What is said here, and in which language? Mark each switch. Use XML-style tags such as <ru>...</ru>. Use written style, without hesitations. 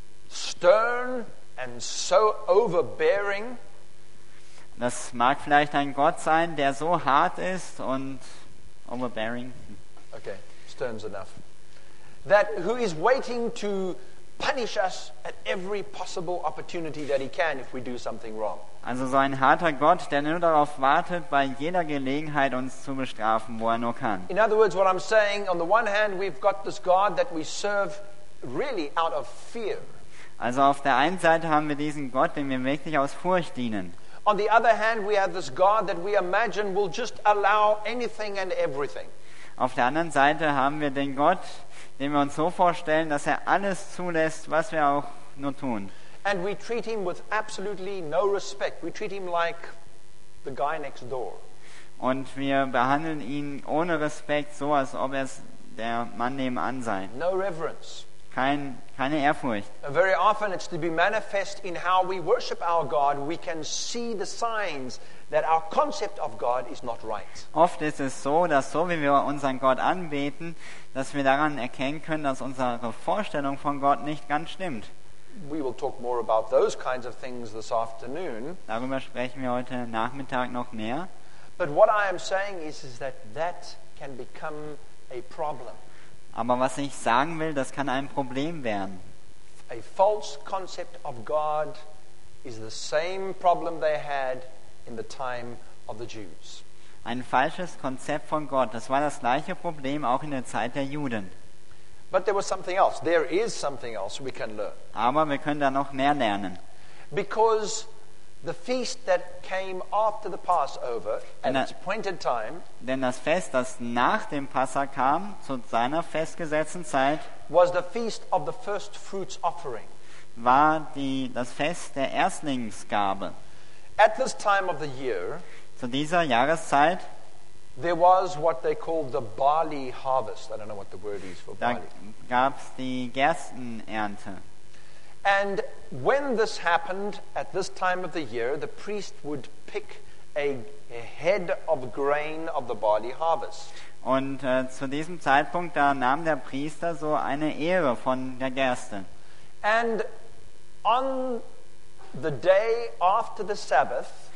<en>stern and so overbearing.</en> <de>Das mag vielleicht ein Gott sein, der so hart ist und overbearing.</de> <en>Okay, stern's enough. That who is waiting to punish us at every possible opportunity that he can if we do something wrong.</en> <de>Also so ein harter Gott, der nur darauf wartet, bei jeder Gelegenheit uns zu bestrafen, wo er nur kann.</de> <en>In other words, what I'm saying, on the one hand, we've got this God that we serve really out of fear.</en> <de>Also auf der einen Seite haben wir diesen Gott, dem wir wirklich aus Furcht dienen.</de> <en>On the other hand, we have this God that we imagine will just allow anything and everything.</en> <de>Auf der anderen Seite haben wir den Gott, den wir uns so vorstellen, dass er alles zulässt, was wir auch nur tun.</de> <en>And we treat him with absolutely no respect. We treat him like the guy next door.</en> <de>Und wir behandeln ihn ohne Respekt, so als ob er der Mann nebenan sei.</de> <en>No reverence.</en> <de>Keine Ehrfurcht.</de> <en>Very often it's to be manifest in how we worship our God. We can see the signs that our concept of God is not right.</en> <de>Oft ist es so, dass so wie wir unseren Gott anbeten, dass wir daran erkennen können, dass unsere Vorstellung von Gott nicht ganz stimmt.</de> <en>We will talk more about those kinds of things this afternoon.</en> <de>Darüber sprechen wir heute Nachmittag noch mehr.</de> <en>But what I am saying is that that can become a problem.</en> <de>Aber was ich sagen will, das kann ein Problem werden.</de> <en>A false concept of God is the same problem they had in the time of the Jews.</en> <de>Ein falsches Konzept von Gott, das war das gleiche Problem auch in der Zeit der Juden.</de> <en>But there was something else. There is something else we can learn.</en> <de>Aber wir können da noch mehr lernen.</de> <en>Because the feast that came after the Passover at its appointed time,</en> <de>denn das Fest, das nach dem Passa kam, zu seiner festgesetzten Zeit,</de> <en>was the feast of the first fruits offering,</en> <de>war das Fest der Erstlingsgabe.</de> <en>At this time of the year,</en> <de>zu dieser Jahreszeit,</de> <en>there was what they called the barley harvest. I don't know what the word is for barley.</en> <de>Gab's die Gerstenernte.</de> <en>And when this happened at this time of the year, the priest would pick a head of grain of the barley harvest.</en> <de>Und zu diesem Zeitpunkt da nahm der Priester so eine Ehre von der Gerste.</de> <en>And on the day after the Sabbath,</en>